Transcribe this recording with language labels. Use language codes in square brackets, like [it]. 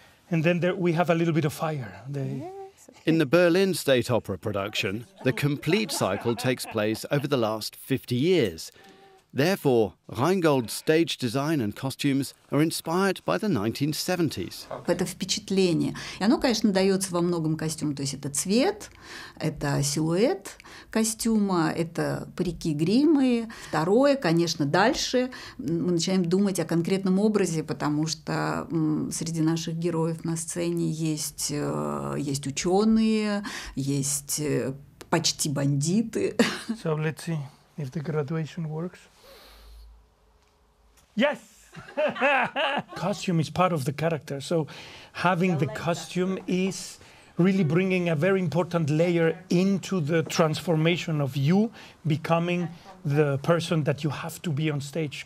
[en] And then there we have a little bit of fire. In the Berlin State Opera production, the complete cycle takes place over the last 50 years. Therefore, Rheingold's stage design and costumes are inspired by the 1970s. [ru] Это впечатление. И оно, конечно, дается во многом костюм. То есть это цвет, это силуэт костюма, это парики, гримы. Второе, конечно, дальше мы начинаем думать о конкретном образе, потому что среди наших героев на сцене есть ученые, есть почти бандиты. [en] So let's see if the graduation works. Yes! Costume is part of the character, so having the costume is really bringing a very important layer into the transformation of you becoming the person that you have to be on stage.